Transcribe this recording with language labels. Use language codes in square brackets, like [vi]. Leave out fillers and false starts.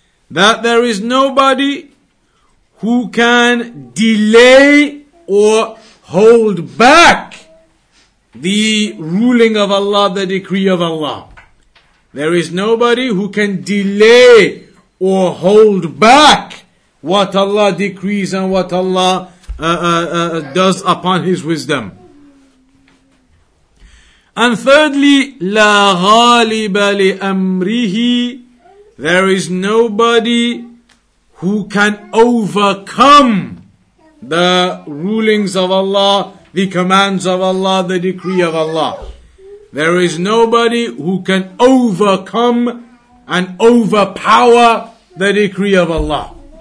[en] That there is nobody who can delay or hold back the ruling of Allah, the decree of Allah. There is nobody who can delay or hold back what Allah decrees and what Allah does upon His wisdom. And thirdly, [ar] لَا غَالِبَ لِأَمْرِهِ. [en] There is nobody who can overcome the rulings of Allah, the commands of Allah, the decree of Allah. There is nobody who can overcome and overpower the decree of Allah.